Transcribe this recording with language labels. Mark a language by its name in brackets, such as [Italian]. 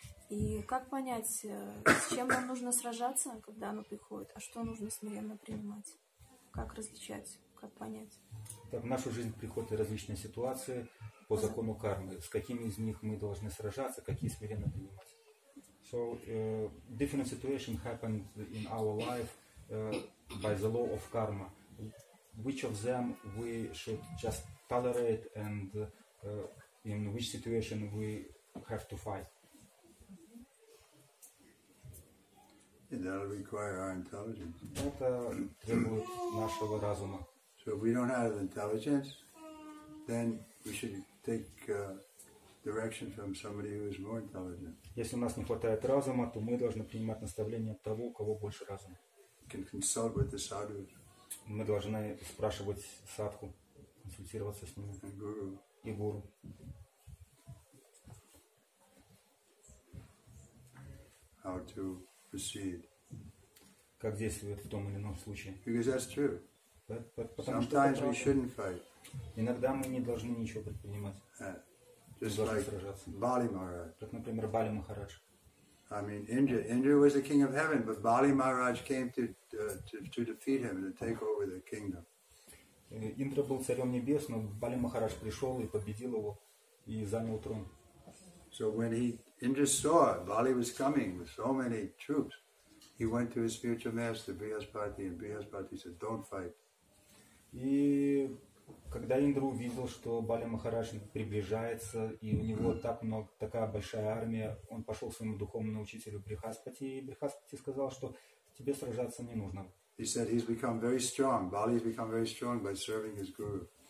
[Russian] И как понять, с чем нам нужно сражаться, когда оно приходит, а что нужно смиренно принимать? Как различать, как понять? Так, в нашу жизнь приходят различные ситуации по закону кармы. С какими из них мы должны сражаться, какие смиренно принимать? [English] So different situation happened in our life by the law of karma. Which of them we should just tolerate, and in which situation we have to fight? And that will require our intelligence. [Russian] Это требует нашего разума. [English] So if we don't have intelligence, then we should take direction from somebody who is more intelligent. [Russian] Если у нас не хватает разума, то мы должны принимать наставления от того, у кого больше разума. [English] You can consult with the sadhu. [Russian] Мы должны спрашивать садху, консультироваться с ним. [English] And guru. [Russian] И гуру. [English] How to proceed. [Russian] Как действовать в том или ином случае? [English] Because that's true. [Russian] Потому [English] sometimes [Russian] что [English] we shouldn't fight. [Russian] Иногда мы не должны ничего предпринимать. [English] Just like [Russian] сражаться. Бали Махарадж. Как, например, Бали Махарадж. [English] I mean, Indra was the king of heaven, but Бали Махарадж came to defeat him and to take over the kingdom. [Russian] Индра был царем небес, но Бали Махарадж пришел и победил его и занял трон. [English] So when Indra saw Bali was coming with so many troops, he went to his spiritual master Brihaspati, and Brihaspati said, "Don't fight." [Russian] И когда Индра увидел, что Бали Махарадж приближается и у него так много, такая большая армия, он пошел к своему духовному учителю Брихаспати, и Брихаспати сказал, что тебе сражаться не нужно. [English] He said he's become very strong. Bali has become very strong by serving his guru.